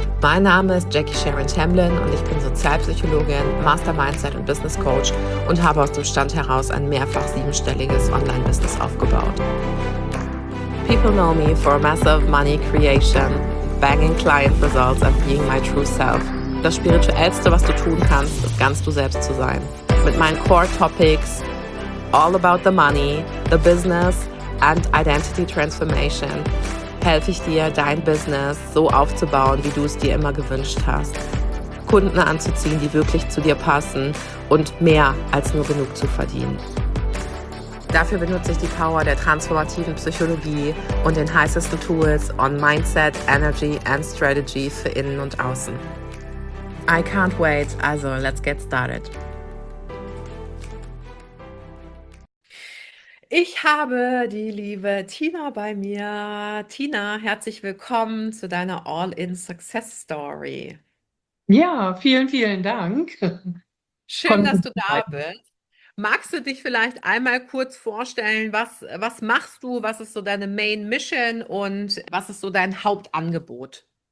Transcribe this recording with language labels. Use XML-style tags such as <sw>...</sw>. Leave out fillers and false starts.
<de>Mein Name ist Jackie Sharon Tamblyn und ich bin Sozialpsychologin, Master Mindset und Business Coach und habe aus dem Stand heraus ein mehrfach siebenstelliges Online-Business aufgebaut.</de> <en>People know me for massive money creation, banging client results and being my true self.</en> <de>Das Spirituellste, was du tun kannst, ist ganz du selbst zu sein. Mit meinen Core Topics,</de> <en>all about the money, the business and identity transformation,</en> <de>helfe ich dir, dein Business so aufzubauen, wie du es dir immer gewünscht hast. Kunden anzuziehen, die wirklich zu dir passen und mehr als nur genug zu verdienen. Dafür benutze ich die Power der transformativen Psychologie und den heißesten Tools</de> <en>on Mindset, Energy and Strategy</en> <de>für innen und außen.</de> <en>I can't wait, also let's get started.</en> <de>Ich habe die liebe Tina bei mir. Tina, herzlich willkommen zu deiner All-in-Success-Story. Ja, vielen, vielen Dank. Schön, dass du da bist. Magst du dich vielleicht einmal kurz vorstellen, was machst du, was ist so deine Main Mission und was ist so dein Hauptangebot?</de>